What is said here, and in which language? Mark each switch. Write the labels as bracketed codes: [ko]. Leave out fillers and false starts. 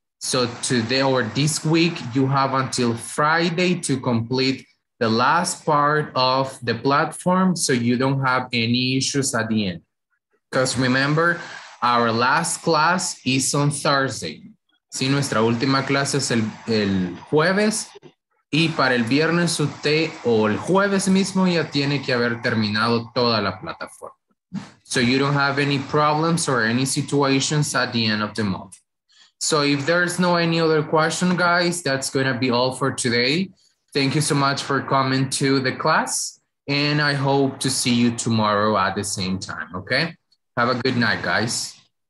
[en] So today or this week, you have until Friday to complete the last part of the platform so you don't have any issues at the end. Because remember, our last class is on Thursday. [es] Sí, nuestra última clase es el jueves. Y para el viernes usted o el jueves mismo ya tiene que haber terminado toda la plataforma. [en] So you don't have any problems or any situations at the end of the month. So if there's no any other question, guys, that's going to be all for today. Thank you so much for coming to the class. And I hope to see you tomorrow at the same time. Okay. Have a good night, guys.